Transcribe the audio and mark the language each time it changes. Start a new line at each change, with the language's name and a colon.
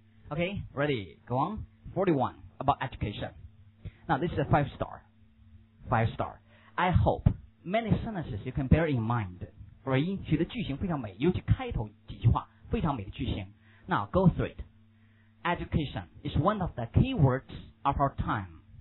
English: Okay, ready, go on. 41, about education. Now, this is a five star. I hope many sentences you can bear in mind. Right?
Chinese: 许的句型非常美，尤其开头几句话非常美的句型。
English: Now go through it. Education is one of the keywords of our time.